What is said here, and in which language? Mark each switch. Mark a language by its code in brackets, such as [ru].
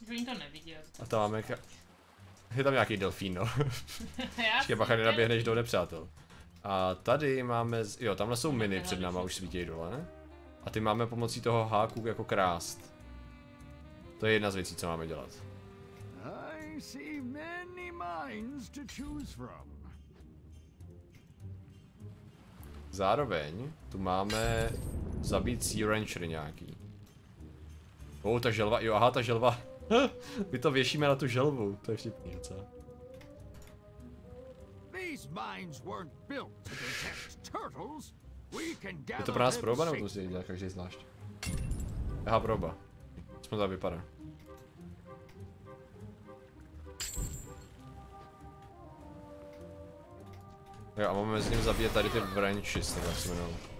[cs] Oni to neviděl. A tam máme krást. Je tam nějaký delfín, no. Ačkej, bacha, nenaběhneš do nepřátel. A tady máme, jo, tamhle jsou miny před náma, už svítějí dole, ne? A ty máme pomocí toho háku jako krást. To je jedna z věcí, co máme dělat. [en] I see many minds to choose from. [cs] Zároveň tu máme zabít Sea Ranger nějaký. Oh, ta želva, jo, aha, ta želva. My to věšíme na tu želvu, to je vtipný, co? [en] These mines weren't built to detect turtles. [cs] Je to pro nás proba, nebo to musí dělat každý zvlášť? Aha, proba. Aspoň to vypadá. Jo, a máme s ním zabíjet tady ty branchy, nebo jak se jmenou.